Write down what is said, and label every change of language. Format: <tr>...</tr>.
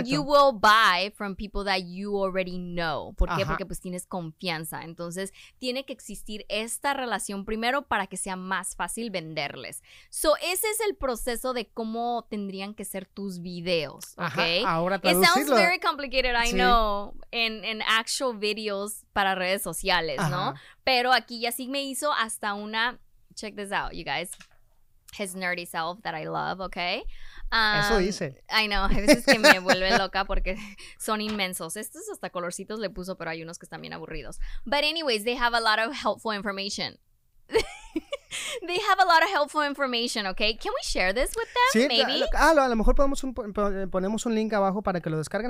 <en>And you will buy from people that you already know.</en> <es>¿Por qué? Porque pues tienes confianza. Entonces, tiene que existir esta relación primero para que sea más fácil venderles. So, ese es el proceso de cómo tendrían que ser tus videos, ¿ok? Ajá. Ahora traducirlo.</es> <en>It sounds very complicated, I know, in actual videos</en> <es>para redes sociales, ¿no? Pero aquí ya sí me hizo hasta una...</es> <en>Check this out, you guys. His nerdy self that I love, okay?</en> <es>Eso dice.</es> <en>I know,</en> <es>a veces que me vuelve loca porque son inmensos. Estos hasta colorcitos le puso, pero hay unos que están bien aburridos.</es> <en>But anyways, they have a lot of helpful information. They have a lot of helpful information, okay? Can we share this with them,</en> <es>sí,</es> <en>maybe?</en> <es>A lo mejor ponemos un link abajo para que lo descarguen.</es>